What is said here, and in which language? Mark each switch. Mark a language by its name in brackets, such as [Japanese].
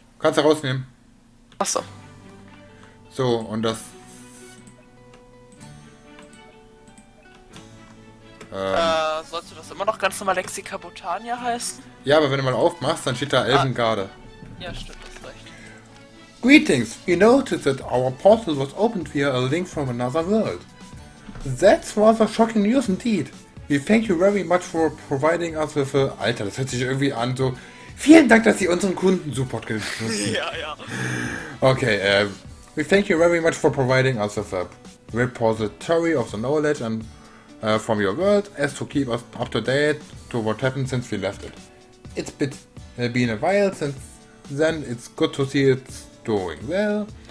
[German] Kannst du rausnehmen. Achso. So, und das... Sollst du das immer noch ganz normal Lexica Botania heißen? Ja, aber wenn du mal aufmachst, dann steht da Elfengarde. Ja, stimmt, das recht. [English] Greetings! We noticed that our portal was opened via a link from another world. That's rather shocking news indeed. We thank you very much for providing us with a... [German] Alter, das hört sich irgendwie an so... Vielen Dank, dass Sie unseren Kunden Support geben. Ja, ja. [English] Okay, we thank you very much for providing us with a repository of the knowledge and from your world as to keep us up to date to what happened since we left it. It's been a while since... Then it's good to see it's doing well.